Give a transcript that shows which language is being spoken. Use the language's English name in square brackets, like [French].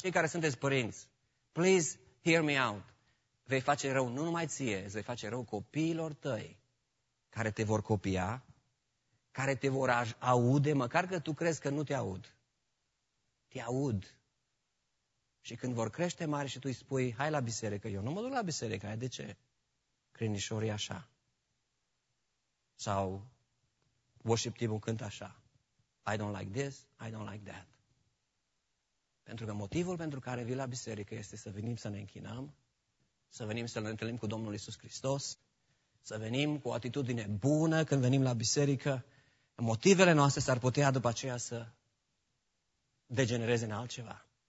[Romanian] Cei care sunteți părinți, [English] please hear me out. [Romanian] Vei face rău nu numai ție, îți vei face rău copiilor tăi care te vor copia, care te vor aude, măcar că tu crezi că nu te aud. Te aud. Și când vor crește mari și tu îi spui, hai la biserică, eu nu mă duc la biserică, ai de ce? Crinișorii așa. Sau worship team-ul cântă așa. [English] I don't like this, I don't like that. [Romanian] Pentru că motivul pentru care vii la biserică este să venim să ne închinăm, să venim să ne întâlnim cu Domnul Iisus Hristos, să venim cu o atitudine bună când venim la biserică. Motivele noastre s-ar putea după aceea să degenereze în altceva.